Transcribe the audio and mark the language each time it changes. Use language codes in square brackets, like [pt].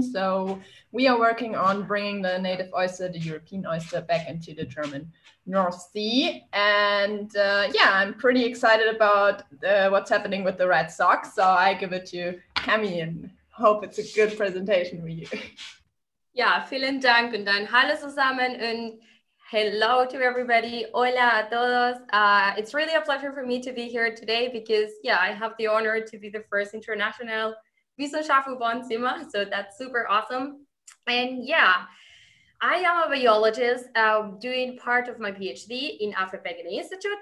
[en] So we are working on bringing the native oyster, the European oyster, back into the German North Sea. And yeah, I'm pretty excited about what's happening with the Red Sox. So I give it to Cami and hope it's a good presentation for you. [de] Yeah, vielen Dank und dann hallo zusammen und [en] hello to everybody. [es] Hola a todos. [en] It's really a pleasure for me to be here today because, yeah, I have the honor to be the first international Wissenschaft für Wohnzimmer. So that's super awesome. And yeah, I am a biologist doing part of my PhD in Alfred Wegener Institute.